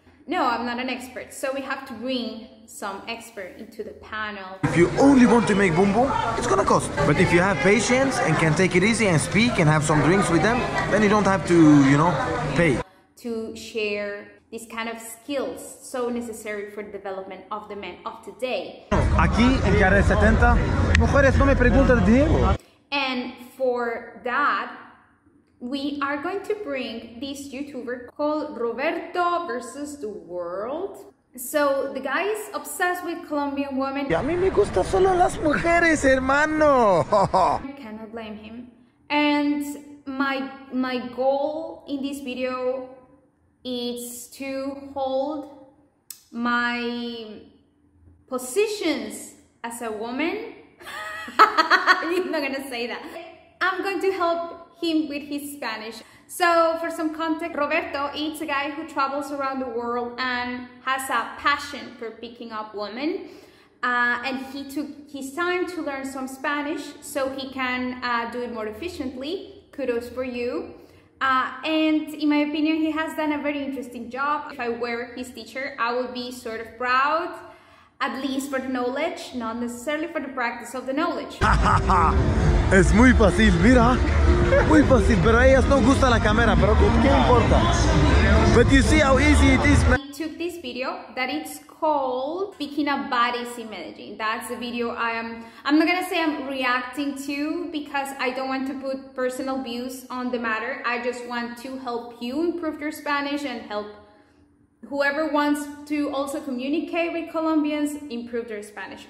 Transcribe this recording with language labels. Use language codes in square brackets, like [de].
[en] No, I'm not an expert, so we have to bring some expert into the panel. If you only want to make boom boom, it's gonna cost. But if you have patience and can take it easy and speak and have some drinks with them, then you don't have to, you know, pay. To share these kind of skills so necessary for the development of the men of today. [es] Aquí en Carrera 70, mujeres no me preguntan de dinero. [en] And for that, we are going to bring this YouTuber called Roberto versus the world. So the guy is obsessed with Colombian women. [es] Y a mí me gusta solo las mujeres, hermano. [en] I cannot blame him. And my goal in this video is to hold my positions as a woman. I'm not gonna say that. I'm going to help him with his Spanish. So for some context, Roberto is a guy who travels around the world and has a passion for picking up women. And he took his time to learn some Spanish so he can do it more efficiently. Kudos for you. And in my opinion, he has done a very interesting job. If I were his teacher, I would be sort of proud. At least for the knowledge, not necessarily for the practice of the knowledge. [es] Es muy fácil, mira. Muy fácil, pero a ellas no gusta la cámara, pero ¿qué importa? [en] But you see how easy it is, man. I took this video that it's called Picking Up Bodies in Medellin. That's the video I'm not gonna say I'm reacting to, because I don't want to put personal views on the matter. I just want to help you improve your Spanish and help whoever wants to also communicate with Colombians, improve their Spanish.